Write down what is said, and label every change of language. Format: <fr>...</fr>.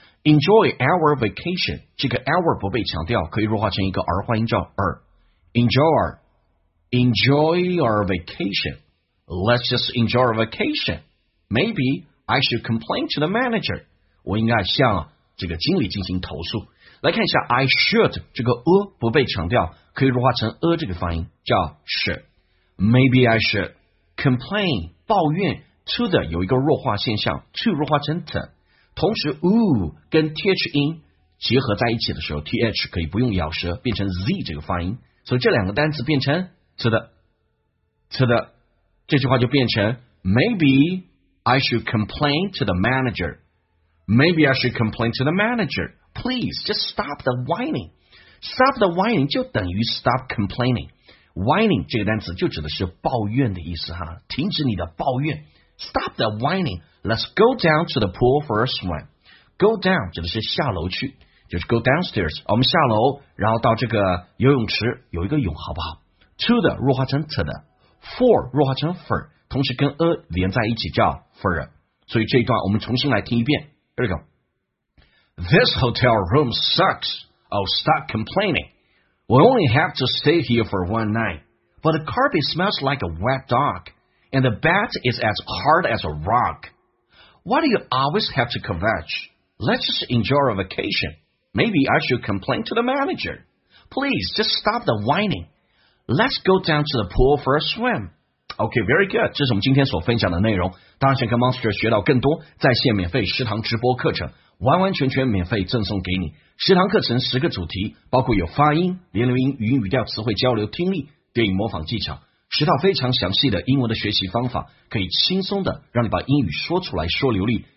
<en>Enjoy our vacation.</en> <zh>这个 our 不被强调，可以弱化成一个儿化音叫 er.</zh> <en>Enjoy our vacation. Let's just enjoy our vacation. Maybe I should complain to the manager.</en> <zh>我应该向这个经理进行投诉。来看一下</zh> <en>I should</en> <zh>这个不被强调，可以弱化成这个发音叫 should.</zh> <en>Maybe I should complain</en> <zh>抱怨</zh> <en>to the</en> <zh>有一个弱化现象</zh> <en>to</en> <zh>弱化成</zh> <en>to.</en> <zh>同时 oo 跟 th 音结合在一起的时候 th 可以不用咬舌变成 z 这个发音，所以这两个单词变成</zh> <en>to the, to the</en> <zh>这句话就变成</zh> <en>maybe I should complain to the manager maybe I should complain to the manager please just stop the whining stop the whining</en> <zh>就等于</zh> <en>stop complaining whining</en> <zh>这个单词就指的是抱怨的意思哈，停止你的抱怨</zh> <en>Stop the whining. Let's go down to the pool for a swim. Go down</en> <zh>指的是下楼去，就是</zh> <en>go downstairs.</en> <zh>我们下楼，然后到这个游泳池有一个泳，好不好 ？</zh> <en>To the</en> <zh>弱化成 to the, for 弱化成 for, 同时跟 a 连在一起叫 for. 所以这一段我们重新来听一遍。</zh> <en>Here we go. This hotel room sucks. Oh, stop complaining. We only have to stay here for one night, but the carpet smells like a wet dog. And the bed is as hard as a rock. Why do you always have to kvetch? Let's just enjoy a vacation. Maybe I should complain to the manager. Please, just stop the whining. Let's go down to the pool for a swim. OK, very good.</en> <zh>这是我们今天所分享的内容。当然，想跟 Monster 学到更多在线免费食堂直播课程，完完全全免费赠送给你。食堂课程十个主题，包括有发音、连读音、语音语调、词汇交流、听力、电影模仿技巧，十套非常详细的英文的学习方法，可以轻松的让你把英语说出来说流利。</zh>